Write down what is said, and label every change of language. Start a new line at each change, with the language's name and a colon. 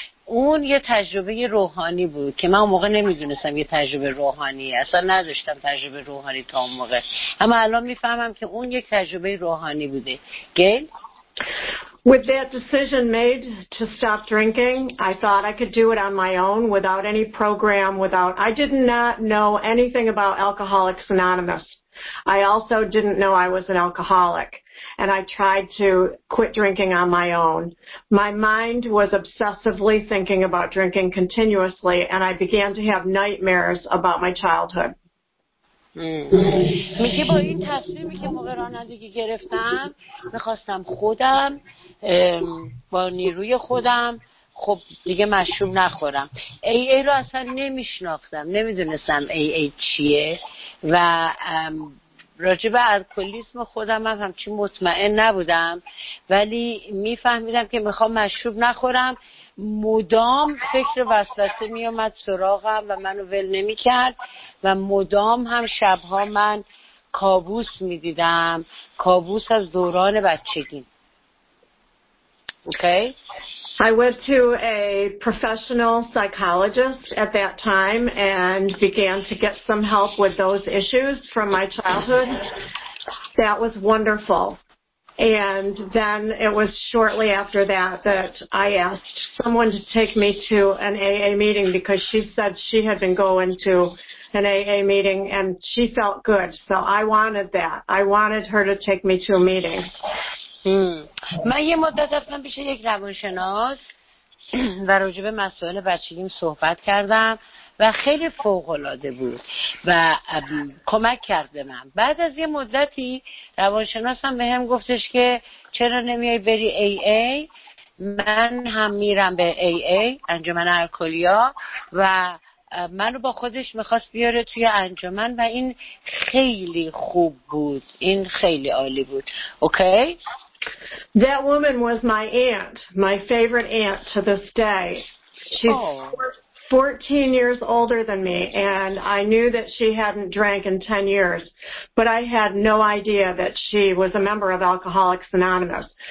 Persian: اون یه تجربه روحانی بود که من اون موقع نمیدونستم یه تجربه روحانیه، اصلا نداشتم تجربه روحانی تا اون موقع، اما الان میفهمم که اون یک تجربه روحانی بوده. گیل؟
English: With that decision made to stop drinking, I thought I could do it on my own without any program, without, I did not know anything about Alcoholics Anonymous. I also didn't know I was an alcoholic, and I tried to quit drinking on my own. My mind was obsessively thinking about drinking continuously, and I began to have nightmares about my childhood.
Persian: میگه با این تصمیمی که موقع رانندگی گرفتم، میخواستم خودم با نیروی خودم خب دیگه مشروب نخورم. ای ای رو اصلا نمیشناختم، نمیدونستم ای ای چیه و راجب الکلیسم خودم هم چی مطمئن نبودم، ولی میفهمیدم که میخوام مشروب نخورم. مدام فکر وسوسه می اومد سراغم و منو ول نمی کرد و مدام هم شبها من کابوس می دیدم، کابوس از دوران بچگی.
English: Okay. I went to a professional psychologist at that time and began to get some help with those issues from my childhood. That was wonderful. And then it was shortly after that that I asked someone to take me to an AA meeting because she said she had been going to an AA meeting and she felt good. So I wanted that. I wanted her to take me to a meeting.
Persian: من یه مدت رفتم پیش یک روانشناس و راجع به مسائل بچگیم صحبت کردم و خیلی فوق‌العاده بود و کمک کرده من. بعد از یه مدتی روانشناسم به هم گفتش که چرا نمیای بری AA؟ من هم میرم به AA، انجمن الکلیا، و منو با خودش میخواست بیاره توی انجمن و این خیلی خوب بود، این خیلی عالی بود. اوکی؟
English: That woman was my aunt, my favorite aunt to this day. She's 14 years older than me, and I knew that she hadn't drank in 10 years, but I had no idea that she was a member of Alcoholics Anonymous.